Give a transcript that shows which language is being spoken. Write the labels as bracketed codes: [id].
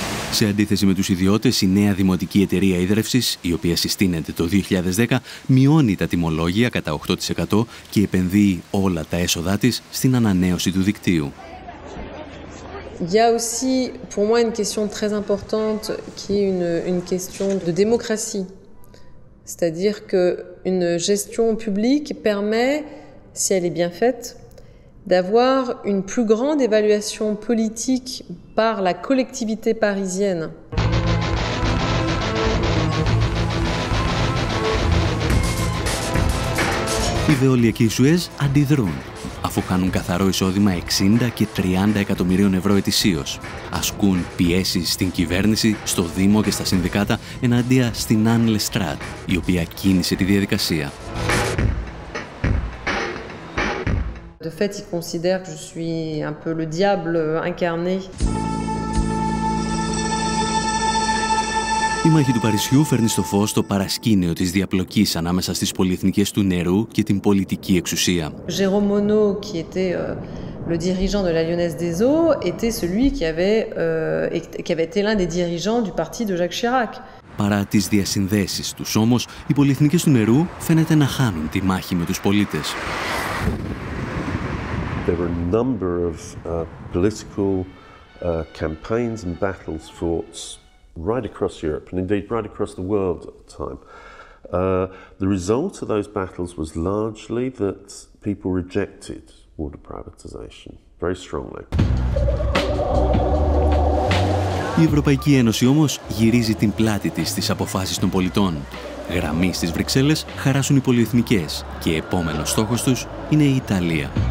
[el] Σε αντίθεση με τους ιδιώτες, η νέα δημοτική εταιρεία ίδρευσης, η οποία συστήνεται το 2010, μειώνει τα τιμολόγια κατά 8% και επενδύει όλα τα έσοδά της στην ανανέωση του δικτύου. [fr] Il y a aussi pour moi une question très importante qui est une question de démocratie. C'est-à-dire que une gestion publique permet, si elle est bien faite, d'avoir une plus grande évaluation politique par la collectivité parisienne. [el] Η αλβεολιακοί Σουέζ αντιδρούν, αφού χάνουν καθαρό εισόδημα 60 και 30 εκατομμυρίων ευρώ ετησίως. Ασκούν πιέσεις στην κυβέρνηση, στο Δήμο και στα συνδικάτα εναντίον στην Αν Λεστράτ, η οποία κίνησε τη διαδικασία. [fr] De fait, ils considèrent que je suis un peu le diable incarné. [el] Η μάχη του Παρισιού φέρνει στο φως το παρασκήνιο της διαπλοκής ανάμεσα στις πολυεθνικές του νερού και την πολιτική εξουσία. [fr] Jérôme Monod, qui était le dirigeant de la Lyonnaise des Eaux, était celui qui avait été l'un des dirigeants du parti de Jacques Chirac. [el] Παρά τις διασυνδέσεις τους όμως, οι πολυεθνικές του νερού φαίνεται να χάνουν τη μάχη με τους πολίτες. [en] There were a number of political campaigns and battles fought right across Europe and indeed right across the world at the time. The result of those battles was largely that people rejected water privatization very strongly. [el] Η Ευρωπαϊκή Ένωση όμως γυρίζει την πλάτη της στις αποφάσεις των πολιτών. Γραμμή στις Βρυξέλλες χαράσουν οι πολυεθνικές και επόμενος στόχος τους είναι η Ιταλία.